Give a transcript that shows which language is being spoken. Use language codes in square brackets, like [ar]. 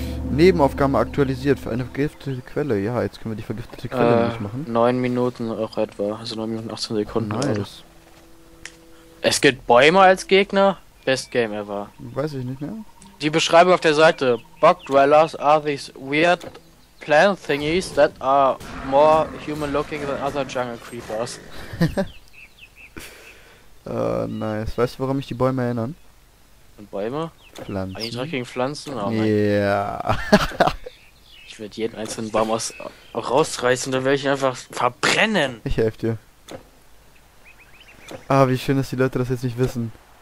[de] Nebenaufgabe aktualisiert für eine vergiftete Quelle. Ja, jetzt können wir die vergiftete Quelle nicht machen. 9 Minuten auch etwa, also 9 Minuten 18 Sekunden. Nice. Oder? Es gibt Bäume als Gegner? [en] Best Game ever. [de] Weiß ich nicht mehr. Die Beschreibung auf der Seite. [en] Bug Dwellers are these weird plant thingies that are more human looking than other jungle creepers. nice. [de] Weißt du, warum ich die Bäume erinnern? Und Bäume? Pflanzen. Eigentlich dreckigen Pflanzen? Ja. Ich würde jeden einzelnen Baum rausreißen, dann werde ich ihn einfach verbrennen. Ich helfe dir. Ah, wie schön, dass die Leute das jetzt nicht wissen.